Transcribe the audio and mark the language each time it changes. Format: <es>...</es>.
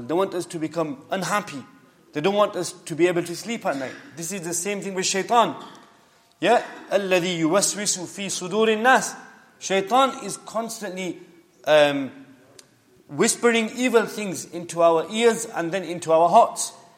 <en>They want us to become unhappy. They don't want us to be able to sleep at night. This is the same thing with shaitan.</en> <ar>Yeah, الَّذِي يُوَسْوِسُ فِي صُدُورِ النَّاسِ.</ar> <en>Shaitan is constantly whispering evil things into our ears and then into our hearts.</en>